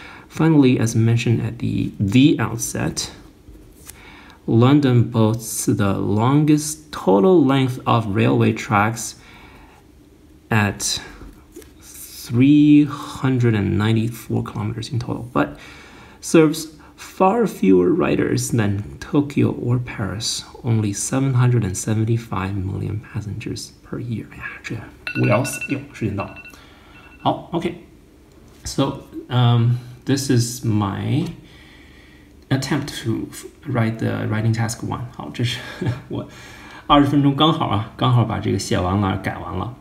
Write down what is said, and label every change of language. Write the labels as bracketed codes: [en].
[en] Finally, as mentioned at the outset, London boasts the longest total length of railway tracks at 394 kilometers in total, but serves far fewer riders than Tokyo or Paris, only 775 million passengers per year. [zh] 哎呀，这无聊死，哟，时间到了。好，OK. [en] So, this is my attempt to write the writing task one. [zh] 好，这是我二十分钟刚好啊，刚好把这个写完了，改完了。